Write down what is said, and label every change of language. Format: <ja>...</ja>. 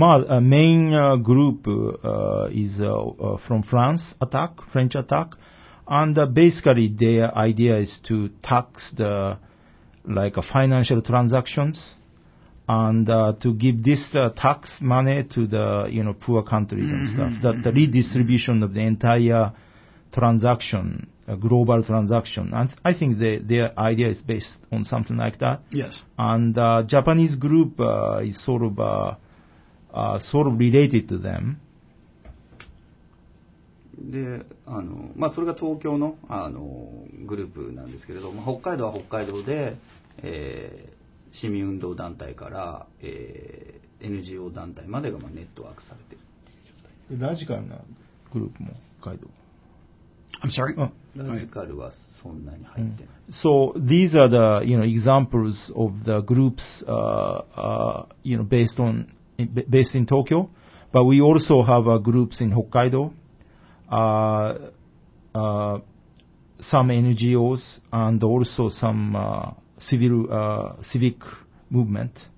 <ja>まあ、メイングループ</ja> <en>is from France Attack, French Attack, and basically their idea is to tax the like financial transactions and to give this tax money to the, you know, poor countries and stuff, that the redistribution of the entire transaction, global transaction. And I think their idea is based on something like that. Yes. And Japanese group is sort of related to them.</en> <ja>で、まあ、それが東京の、グループなんですけれども、北海道は北海道で、市民運動団体から、NGO 団体までが、まあ、ネットワークされてるっていう状態で、ラジカルなグループも北海道。</ja> <en>I'm sorry?</en> <ja>ラジカルはそんなに入ってない。</ja> <en>So these are the, you know, examples of the groups, you know, based in Tokyo. But we also have groups in Hokkaido, some NGOs and also some, civic movement.</en>